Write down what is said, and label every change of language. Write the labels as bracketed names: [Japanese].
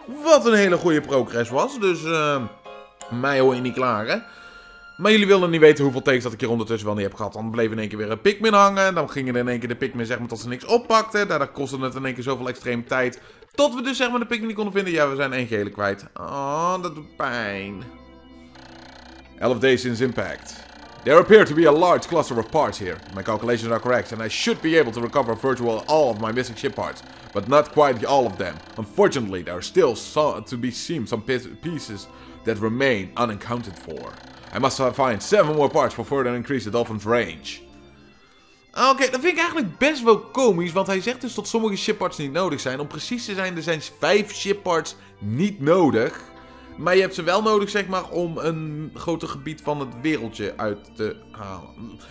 [Dutch] Wat een hele goede progress was. Dus mij hoor je niet klagen. Maar jullie wilden niet weten hoeveel takes dat ik hier ondertussen wel niet heb gehad. Dan bleef in één keer weer een Pikmin hangen. En dan gingen in één keer de Pikmin zeg maar tot ze niks oppakten. Daardoor kostte het in één keer zoveel extreme tijd. Tot we dus zeg maar de Pikmin niet konden vinden. Ja, we zijn 1 gele kwijt. Oh, dat doet pijn. [English] 11 days since impact. There appear to be a large cluster of parts here. My calculations are correct and I should be able to recover virtually all of my missing ship parts. But not quite all of them. Unfortunately, there are still to be seen some pieces that remain unaccounted for. I must find 7 more parts for further increase the dolphin's range. [Dutch] Oké, dat vind ik eigenlijk best wel komisch. Want hij zegt dus dat sommige shipparts niet nodig zijn. Om precies te zijn, er zijn 5 shipparts niet nodig. Maar je hebt ze wel nodig, zeg maar, om een groter gebied van het wereldje uit te halen.